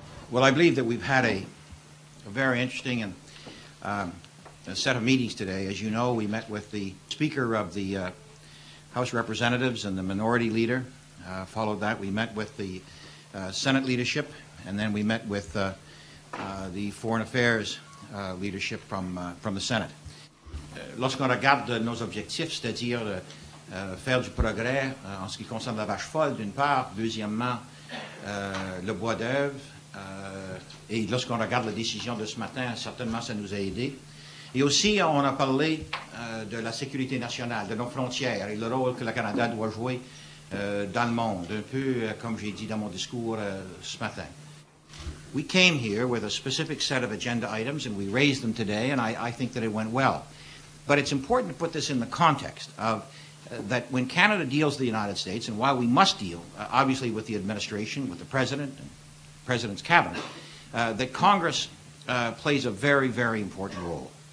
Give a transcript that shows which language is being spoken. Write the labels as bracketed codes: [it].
[en] Well, I believe that we've had a very interesting and a set of meetings today. As you know, we met with the Speaker of the House of Representatives and the Minority Leader. Followed that, we met with the Senate leadership, and then we met with the Foreign Affairs leadership from the Senate. [fr] Lorsqu'on regarde nos objectifs, c'est-à-dire faire du progrès en ce qui concerne la vache folle, d'une part, deuxièmement, le bois d'œuvre, et lorsqu'on regarde la décision de ce matin, certainement ça nous a aidés. Et aussi, on a parlé de la sécurité nationale, de nos frontières et le rôle que le Canada doit jouer dans le monde, un peu comme j'ai dit dans mon discours ce matin. [en] We came here with a specific set of agenda items and we raised them today and I think that it went well. But it's important to put this in the context of that when Canada deals with the United States, and while we must deal, obviously, with the administration, with the president, and the president's cabinet, that Congress plays a very, very important role.